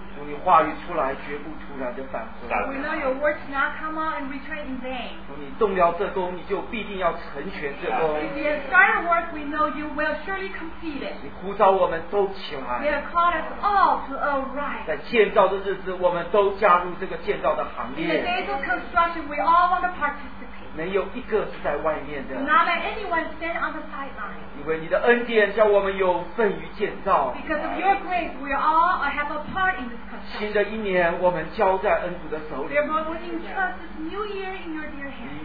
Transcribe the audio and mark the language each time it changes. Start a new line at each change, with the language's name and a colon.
Chinese: 从你话语出来，绝不突然的返回。
English: We know your words not come out and return in vain.
Chinese: 从你动摇这功，你就必定要成全这功。
English: If you start a work, we know you will surely complete it.
Chinese: 你呼召我们都起来。
English: You have called us all to arise.
Chinese: 在建造的日子，我们都加入这个建造的行列。
English: In the days of construction, we all want to participate.
Chinese: 没有一个是在外面的。
English: Not let anyone stand on the sideline.
Chinese: 因为你的恩典叫我们有份于建造。
English: Because of your grace, we all have a part in this construction.
Chinese: 新的一年，我们交在恩主的手里。
English: Therefore, we entrust this new year in your dear hands.